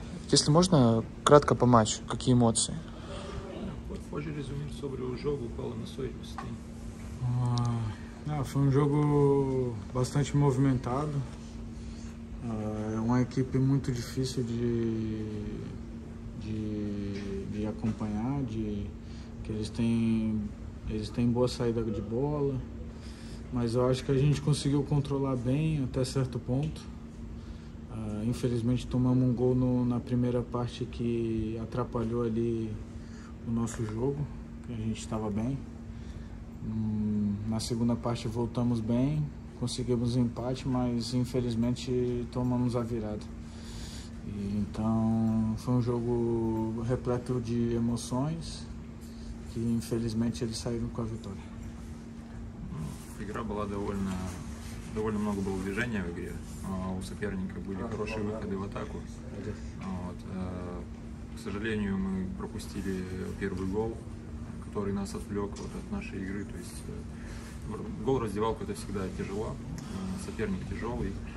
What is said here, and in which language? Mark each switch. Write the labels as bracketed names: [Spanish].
[Russian] Если можно, кратко по матчу. Какие эмоции? [Portuguese] Pode resumir sobre o jogo, qual emoções você tem? Foi um jogo bastante movimentado. É uma equipe muito difícil de acompanhar, que eles têm boa saída de bola, mas eu acho que a gente conseguiu controlar bem até certo ponto. Infelizmente tomamos um gol na primeira parte que atrapalhou ali o nosso jogo, que a gente estava bem. Na segunda parte voltamos bem, conseguimos empate, mas infelizmente tomamos a virada. E, então foi um jogo repleto de emoções, que infelizmente eles saíram com a vitória. [Russian] Игра была довольно, довольно много было движения в игре. У соперника были хорошие выходы в атаку. Вот. К сожалению, мы пропустили первый гол, который нас отвлек вот от нашей игры. То есть гол раздевалку — это всегда тяжело. Соперник тяжелый.